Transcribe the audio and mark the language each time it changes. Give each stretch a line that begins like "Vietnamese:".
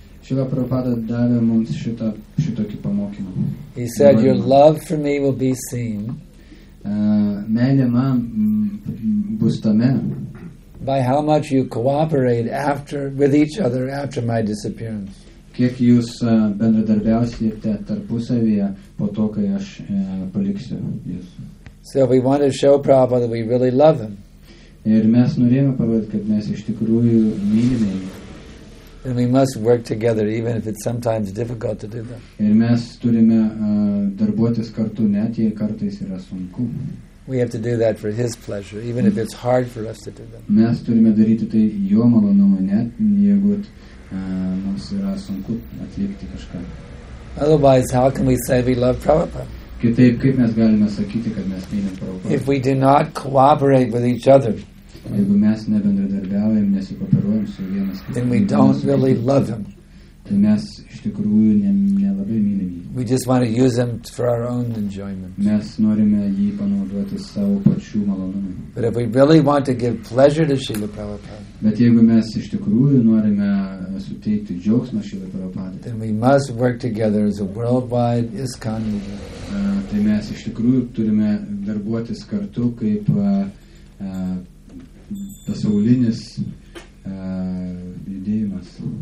Lithuanian: Šila Prabhupada davė mums šitokį pamokymą.
English: He said, your love for me will be seen.
Lithuanian: Meilė man bus tame.
English: By how much you cooperate after with each other after my disappearance.
Lithuanian: Kiek jūs bendradarbiausite tarpusavyje po to, kai aš paliksiu jūs.
English: So we want to show Prabhupada that we really love him.
Lithuanian: Ir mes norėjome parodyti, kad mes iš tikrųjų mylime jį.
English: And we must work together even if it's sometimes difficult to do that.
Lithuanian: Ir mes turime darbuotis kartu, net jei kartais yra sunku.
English: We have to do that for his pleasure, even if it's hard for us to do that.
Lithuanian: Mes turime daryti tai jo malonumui, net jeigu mums yra sunku atlikti kažką.
English: Otherwise, how can we say we love Prabhupada?
Lithuanian: Kitaip, kaip mes galime sakyti, kad mes mylim Prabhupadą?
English: If we do not cooperate with each other,
Lithuanian: jeigu mes nebendradarbiaujam, nesikooperuojam su vienas kitu,
English: then we don't really love him.
Lithuanian: Tai mes iš tikrųjų nelabai mylim jį.
English: We just want to use him for our own enjoyment.
Lithuanian: Mes norime jį panaudoti savo pačių malonumui.
English: But if we really want to give pleasure to Srila Prabhupada,
Lithuanian: bet jeigu mes iš tikrųjų norime suteikti džiaugsmą Srila Prabhupada,
English: then we must work together as a worldwide ISKCON leader.
Lithuanian: Tai mes iš tikrųjų turime darbuotis kartu kaip pasaulinis judėjimas.